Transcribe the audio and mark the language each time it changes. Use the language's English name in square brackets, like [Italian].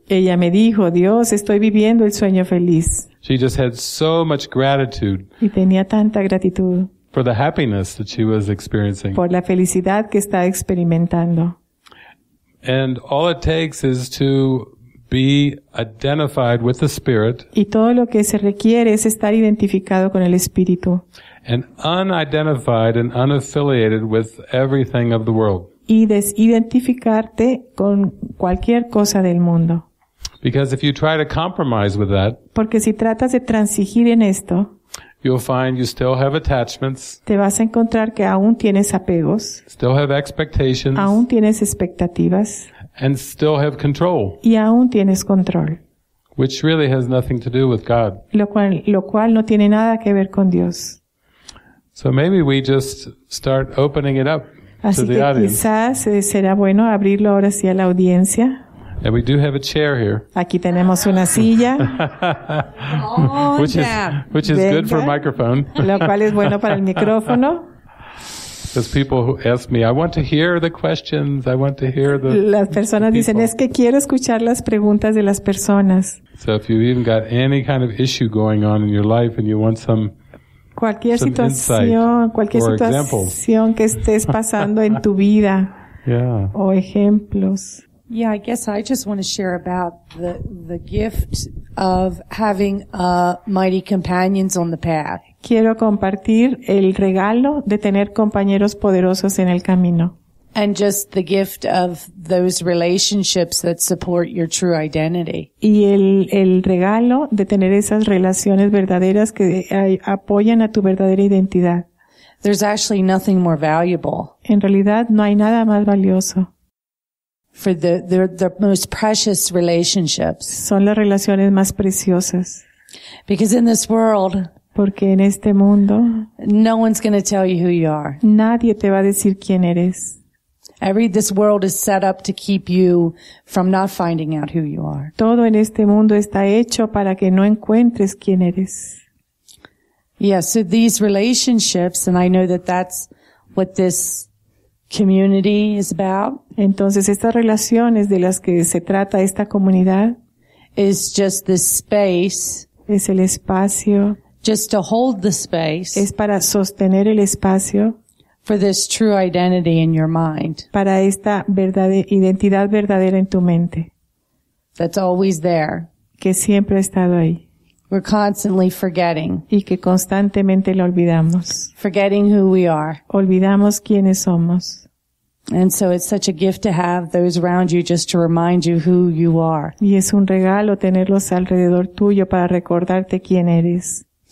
[Spanish] Ella me dijo, "Dios, estoy viviendo el sueño feliz." [English] She just had so much gratitude. [Spanish] Y tenía tanta gratitud. [English] For the happiness that she was experiencing. [Spanish] Por la felicidad que está experimentando. [English] And all it takes is to be identified with the Spirit. [Spanish] Y todo lo que se requiere es estar identificado con el Espíritu. [English] And unidentified and unaffiliated with everything of the world. [Spanish] Y desidentificarte con cualquier cosa del mundo. [English] Because if you try to compromise with that, [Spanish] porque si tratas de transigir en esto, [English] you'll find you still have attachments. [Spanish] Te vas a encontrar que aún tienes apegos. [English] Still have expectations. [Spanish] Aún tienes expectativas. [English] And still have control. [Spanish] Y aún tienes control. [English] Which really has nothing to do with God. [Spanish] Lo cual no tiene nada que ver con Dios. [English] So maybe we just start opening it up to the audience. [Spanish] Así que quizás será bueno abrirlo ahora sí a la audiencia. [English] And we do have a chair here. [Spanish] Aquí tenemos una silla. [English] which is venga. Good for a microphone. [Spanish] Lo cual es bueno para el micrófono. [English] Because people who ask me, I want to hear the questions. I want to hear the. [Spanish] Las personas [English] the [Spanish] dicen, es que quiero escuchar las preguntas de las personas. [English] So if you've even got any kind of issue going on in your life and you want some. [Spanish] Cualquier situación, cualquier situación que estés pasando en tu vida. [English] Yeah. [Spanish] O ejemplos. [English] Yeah, I guess I just want to share about the gift of having mighty companions on the path. [Spanish] Quiero compartir el regalo de tener compañeros poderosos en el camino. [English] And just the gift of those relationships that support your true identity. [Spanish] Y el regalo de tener esas relaciones verdaderas que apoyan a tu verdadera identidad. [English] There's actually nothing more valuable. [Spanish] En realidad no hay nada más valioso. [English] For the most precious relationships. [Spanish] Son las relaciones más preciosas. [English] Because in this world. [Spanish] Porque en este mundo. [English] No one's going to tell you who you are. [Spanish] Nadie te va a decir quién eres. [English] This world is set up to keep you from not finding out who you are. [Spanish] Todo en este mundo está hecho para que no encuentres quién eres. [English] Yeah, so these relationships, and I know that that's what this community is about. [Spanish] Entonces estas relaciones de las que se trata esta comunidad [English] is just the space. [Spanish] Es el espacio. [English] Just to hold the space. [Spanish] Es para sostener el espacio. [English] For this true identity in your mind. [Spanish] Para esta identidad verdadera en tu mente. [English] That's always there. [Spanish] Que siempre ha estado ahí. [English] We're constantly forgetting. [Spanish] Y que constantemente lo olvidamos. [English] Forgetting who we are. [Spanish] Olvidamos quiénes somos. [English] And so it's such a gift to have those around you just to remind you who you are. [Spanish] Y es un regalo tenerlos alrededor tuyo para recordarte quién eres.